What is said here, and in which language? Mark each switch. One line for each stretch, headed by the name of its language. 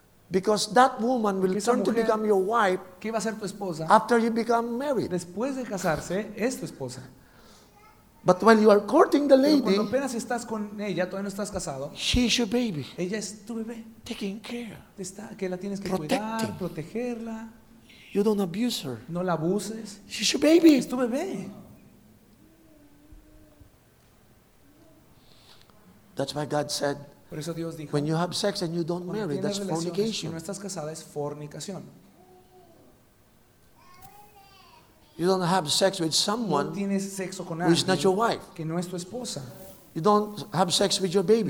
English: Because that woman will
Spanish: mujer,
English: turn to become your wife.
Spanish: ¿Qué va a ser tu esposa?
English: After you become married.
Spanish: Después de casarse, es tu esposa.
English: But while you are courting the lady.
Spanish: Pero cuando apenas estás con ella, todavía no estás casado.
English: She is your baby.
Spanish: Ella es tu bebé.
English: Taking care.
Spanish: Está, que la tienes que protecting. Cuidar, protegerla.
English: You don't abuse her.
Spanish: No la abuses.
English: She is your baby.
Spanish: Es tu bebé.
English: That's why God said.
Spanish: Por eso Dios dijo,
English: when you have sex and you don't marry, that's fornication.
Spanish: Si no estás casada, es fornicación.
English: You don't have sex with someone
Spanish: no tienes sexo con
English: who is not your wife.
Spanish: Que no es tu esposa.
English: You don't have sex with your baby.